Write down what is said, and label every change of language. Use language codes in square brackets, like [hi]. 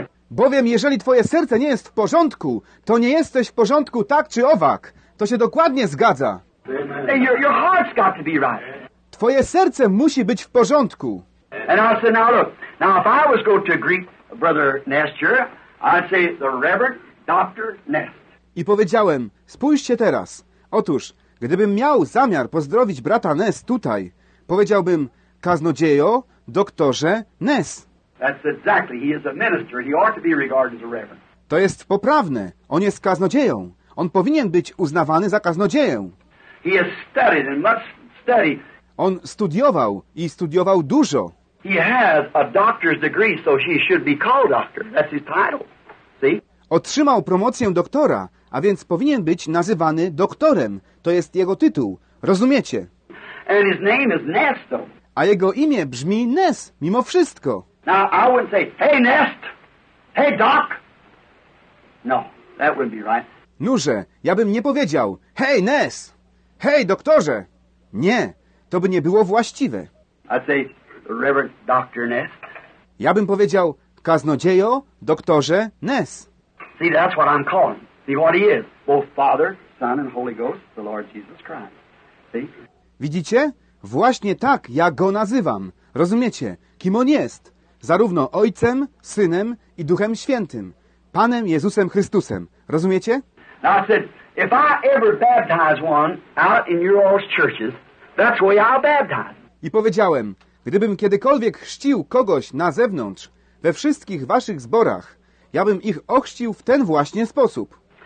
[pl] Bowiem jeżeli twoje serce nie jest w porządku, to nie jesteś w porządku tak czy owak. To się dokładnie zgadza. [en] Your heart's got to be right. [pl] Twoje serce musi być w porządku. [en] And I said, now look, now if I was going to greet Brother Nestor, I'd say the Reverend Dr. Nest. [pl] I powiedziałem, spójrzcie teraz. Otóż, gdybym miał zamiar pozdrowić brata Nest tutaj, powiedziałbym, kaznodziejo, doktorze Ness. [en] That's exactly. He is a minister. He ought to be regarded as a reverend. [pl] To jest poprawne. On jest kaznodzieją. On powinien być uznawany za kaznodzieję. [en] He has studied and much studied. [pl] On studiował i studiował dużo. [en] He has a doctor's degree, so he should be called doctor. That's his title. See? [pl] Otrzymał promocję doktora, a więc powinien być nazywany doktorem. To jest jego tytuł. Rozumiecie? [en] And his name is Nesto. [pl] A jego imię brzmi Ness, mimo wszystko. [en] Now, I wouldn't say, hey, Nest! Hey, Doc! No, that wouldn't be right. [pl] Noże, ja bym nie powiedział, hey, Ness! Hey, doktorze! Nie, to by nie było właściwe. [en] I'd say, Reverend Dr. Ness. [pl] Ja bym powiedział, kaznodziejo, doktorze, Ness. [en] See, that's what I'm calling. See what he is. Both Father, Son, and Holy Ghost, the Lord Jesus Christ. See? [pl] Widzicie? Właśnie tak ja go nazywam. Rozumiecie? Kim on jest? Zarówno Ojcem, Synem i Duchem Świętym. Panem Jezusem Chrystusem. Rozumiecie? [en] Now I said, if I ever baptize one out in your all's churches, that's the way I'll baptize. [pl] I powiedziałem, gdybym kiedykolwiek chrzcił kogoś na zewnątrz, we wszystkich waszych zborach, ja bym ich ochrzcił w ten właśnie sposób.